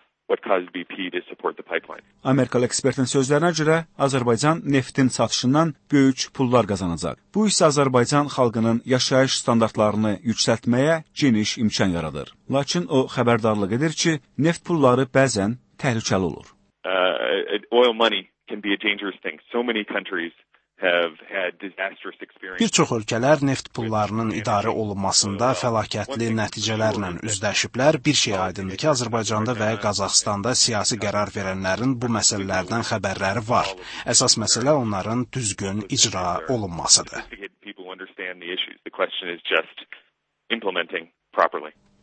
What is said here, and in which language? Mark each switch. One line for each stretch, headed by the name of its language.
Azerbaijani: Amerikalı ekspertin sözlərinə görə Azərbaycan neftin satışından böyük pullar qazanacaq. Bu isə Azərbaycan xalqının yaşayış standartlarını yüksəltməyə geniş imkan yaradır. Lakin o xəbərdarlıq edir ki, neft pulları bəzən təhlükəli olur.
English: Oil money can be a dangerous thing. So many countries have had disastrous experiences.
Azerbaijani: Bir çox ölkələr neft pullarının idarə olunmasında fəlakətli nəticələrlə üzləşiblər. Bir şey aydındır ki, Azərbaycanda və Qazaxıstanda siyasi qərar verənlərin bu məsələlərdən xəbərləri var. Əsas məsələ onların düzgün icra olunmasıdır.